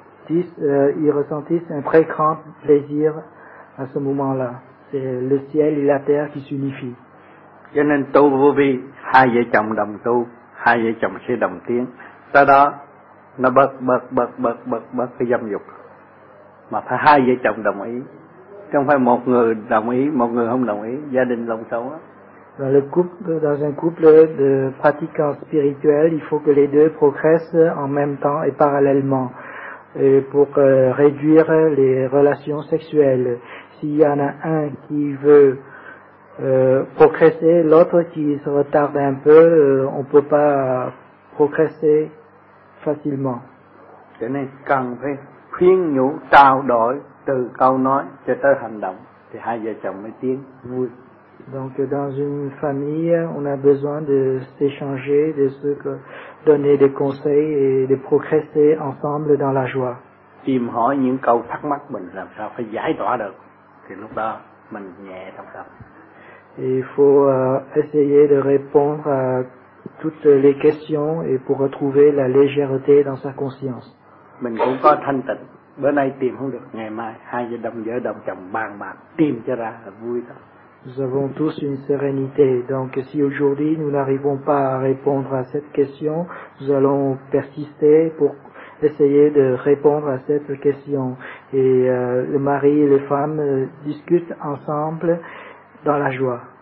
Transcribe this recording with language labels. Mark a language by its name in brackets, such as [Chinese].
[French] Ils ressentissent un très grand plaisir à ce moment-là. C'est le ciel et la terre qui s'unifient. [Vietnamese] Cho nên tu vô vi, hai vợ chồng đồng tu, hai vợ chồng sẽ đồng tiến. Sau đó, nó bớt cái dâm dục. Mà phải hai vợ chồng đồng ý. Chứ không phải một người đồng ý, một người không đồng ý. Gia đình lòng sâu á. [French] Dans un couple de pratiquants spirituels, il faut que les deux progressent en même temps et parallèlement. Et pour réduire les relations sexuelles, s'il y en a un qui veut progresser, l'autre qui se retarde un peu, on ne peut pas progresser facilement. [Vietnamese] Cho nên cần phải khuyên nhủ trao đổi từ câu nói cho tới hành động thì hai vợ chồng mới tiến vui. [French] Donc dans une famille, on a besoin de s'échanger, de se donner des conseils et de progresser ensemble dans la joie. [Vietnamese] Tìm hỏi những câu thắc mắc mình làm sao phải giải tỏa được, thì lúc đó mình nhẹ trong tâm. [French] Il faut essayer de répondre à toutes les questions et pour retrouver la légèreté dans sa conscience. [Vietnamese] Mình cũng có thanh tịnh, bữa nay tìm không được, ngày mai hai vợ đồng chồng bàn bạc tìm cho ra là vui đó. [French] Nous avons tous une sérénité, donc si aujourd'hui nous n'arrivons pas à répondre à cette question, nous allons persister pour essayer de répondre à cette question. Et le mari et les femmes discutent ensemble dans la joie.